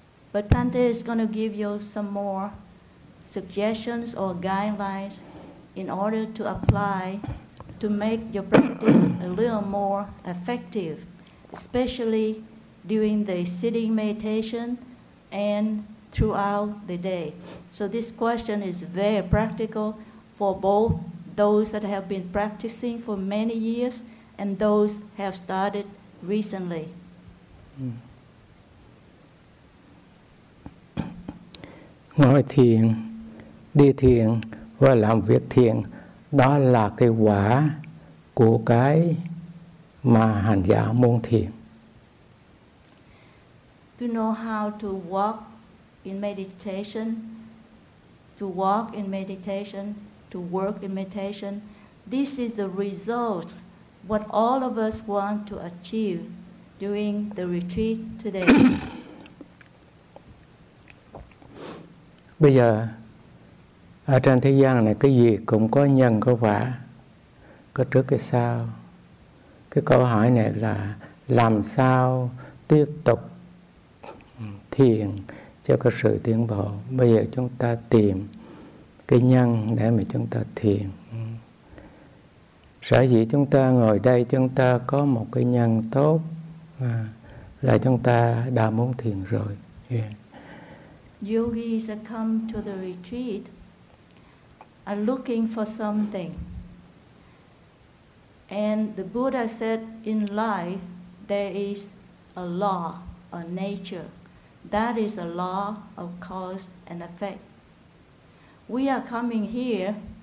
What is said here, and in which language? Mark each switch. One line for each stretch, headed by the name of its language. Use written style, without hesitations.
English: But Bhante is going to give you some more suggestions or guidelines in order to apply to make your practice a little more effective, especially during the sitting meditation and throughout the day. So this question is very practical for both those that have been practicing for many years and those have started recently.
Vietnamese: Ngồi thiền, đi thiền và làm việc thiền, đó là cái quả của cái mà hành giả môn thiền.
English: To know how to walk in meditation, to walk in meditation, to work in meditation, this is the result, what all of us want to achieve during the retreat today.
Vietnamese: Bây giờ, ở trên thế gian này, cái gì cũng có nhân, có quả, có trước, có sau. Cái câu hỏi này là làm sao tiếp tục thiền cho cái sự tiến bộ. Bây giờ chúng ta tìm cái nhân để mà chúng ta thiền. Sở dĩ chúng ta ngồi đây, chúng ta có một cái nhân tốt là chúng ta đã muốn thiền rồi.
English: Yogis that come to the retreat are looking for something. And the Buddha said in life there is a law, a nature. That is the law of cause and effect. We are coming here